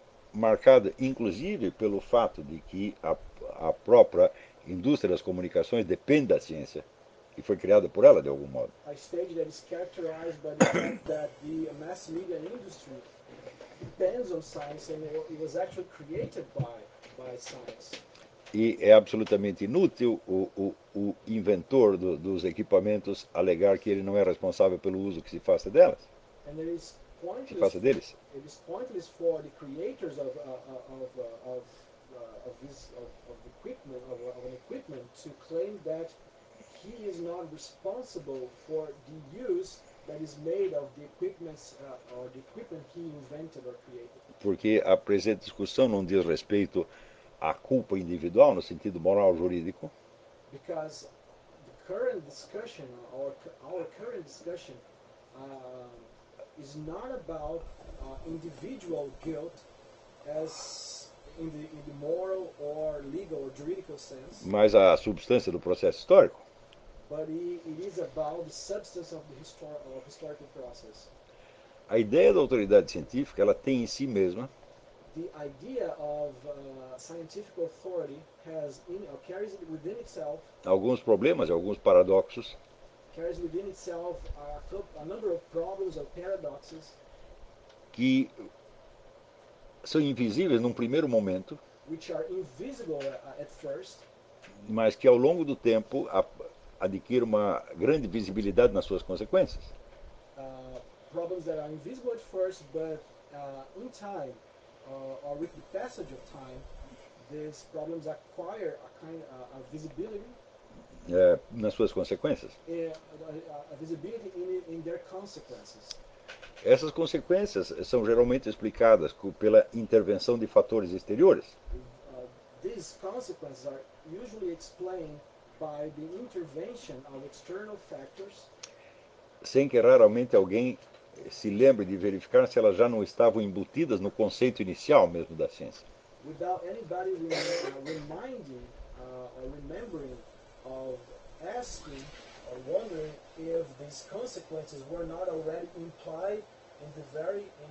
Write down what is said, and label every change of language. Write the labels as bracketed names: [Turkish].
[Portuguese] Marcada, inclusive, pelo fato de que a própria indústria das comunicações depende da ciência e foi criada por ela de algum modo. [English] A stage that is characterized by the fact that the mass media industry depends on science and it was actually created by science. [Portuguese] E é absolutamente inútil o inventor dos equipamentos alegar que ele não é responsável pelo uso que se faça delas. [English] And there is pointless, [Portuguese] se faça deles. [English] It is pointless for the creators of an equipment to claim that he is not responsible for the use that is made of the equipments or the equipment he invented or created. [Portuguese] Porque a presente discussão não diz respeito à culpa individual no sentido moral jurídico. [English] Because the current discussion or our current discussion is not about individual guilt as in the moral or legal or juridical sense. [Portuguese] Mas a substância do processo histórico. [English] But it is about the substance of the historical process. [Portuguese] A ideia da autoridade científica, ela tem em si mesma [English] the idea of scientific authority has in or carries it within itself [Portuguese] alguns problemas, alguns paradoxos. [English] Carries within itself a number of problems or paradoxes [Portuguese] que são invisíveis num primeiro momento, [English] which are invisible at first, [Portuguese] mas que ao longo do tempo adquirem uma grande visibilidade nas suas consequências. [English] Problems that are invisible at first, but in time, or with the passage of time, these problems acquire a kind of a visibility [Portuguese] nas suas consequências. [English] A visibility in their consequences. [Portuguese] Essas consequências são geralmente explicadas pela intervenção de fatores exteriores. [English] These consequences are usually explained by the intervention of external factors. [Portuguese] Sem que raramente alguém se lembre de verificar se elas já não estavam embutidas no conceito inicial mesmo da ciência. [English] Without anybody reminding or remembering of asking or wondering if these consequences were not already implied in the very